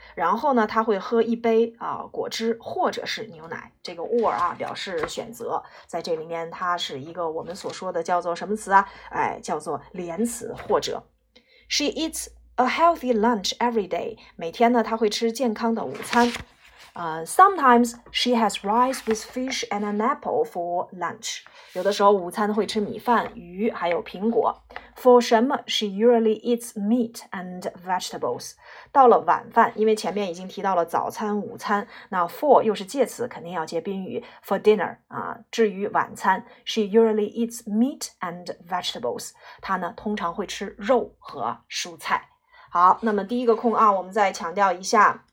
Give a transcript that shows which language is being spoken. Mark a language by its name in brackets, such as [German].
[Chinese] 然后呢，他会喝一杯果汁或者是牛奶。这个 or 啊表示选择，在这里面它是一个我们所说的叫做什么词啊？哎，叫做连词或者。 [English] She eats a healthy lunch every day. [Chinese] 每天呢，他会吃健康的午餐。 [English] Sometimes she has rice with fish and an apple for lunch. [Chinese] 有的时候午餐会吃米饭、鱼还有苹果。 [English] For [Chinese] 什么 [English] ？She usually eats meat and vegetables. [Chinese] 到了晚饭，因为前面已经提到了早餐、午餐，那 for 又是介词，肯定要接宾语。 [English] For dinner [Chinese] 啊，至于晚餐 [English] ，she usually eats meat and vegetables. [Chinese] 她呢，通常会吃肉和蔬菜。好，那么第一个空啊，我们再强调一下。